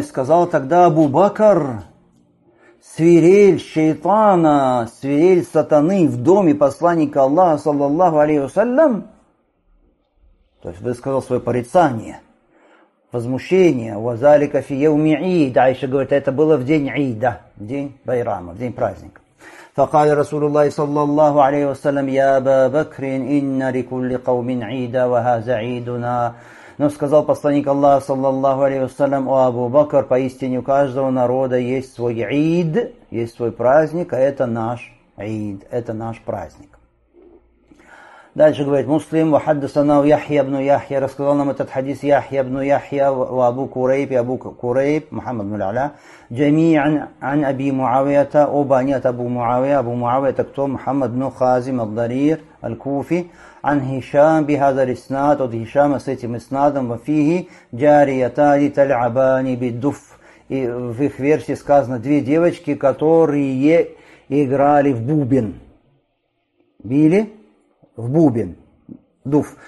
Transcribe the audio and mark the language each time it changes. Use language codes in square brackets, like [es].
[ru] И сказал тогда Абу Бакр, «Свирель шайтана, свирель сатаны в доме посланника Аллаха саллаллаху алейхи вассалям». То есть высказал свое порицание, возмущение. «Вазалика фи яуми Ида». Айша говорит, это было в день Ида, в день Байрама, в день праздника. [ar] فقال رسول الله صلى الله عليه وسلم يا أبا بكر إن لكل قوم عيدا وهذا عيدنا. [ru] Но сказал посланник Аллаха [ar] صلى الله عليه وسلم [ru] о Абу Бакр, поистине у каждого народа есть свой عيد, есть свой праздник, а это наш عيد, это наш праздник. Дальше говорит Муслим, [ar] وحدثنا يحيى بن يحيى, [ru] рассказал нам этот хадис [ar] يحيى بن يحيى وابو كريب, أبو كريب محمد بن العلاء جميعا عن أبي معاوية, [ru] оба они от Абу Муавия, Абу Муавия это кто? Мухаммад бин Хазим ад-Дарир аль-Куфи, [ar] عن هشام بهذا الاسناد, [ru] от هشام с этим иснадом, [ar] وفيه جاريتان تلعبان بالدف, [ru] и в их версии сказано две девочки, которые играли в бубен, били в бубен, дуф.